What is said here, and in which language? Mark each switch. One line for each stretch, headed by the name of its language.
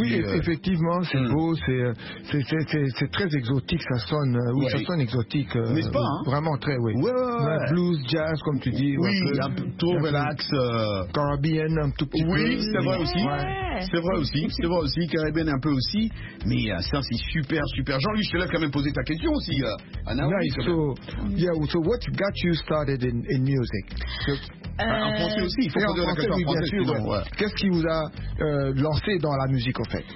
French: Oui, effectivement, c'est beau, c'est très exotique, ça sonne, ça sonne exotique. N'est-ce pas, hein? Vraiment très, oui. Ouais. Blues, jazz, comme tu dis. Oui, un peu relax. Caribbean, un tout petit oui, peu. Oui, c'est vrai aussi. Ouais. C'est vrai aussi, Caribbean un peu aussi, mais ça c'est super, super. Jean-Louis, je te laisse quand même poser ta question aussi, Naomi.
English: Nice, so what got you started in music?
French: En français aussi, il faut poser la question en français. Ouais. Qu'est-ce qui vous a lancé dans la musique, en fait?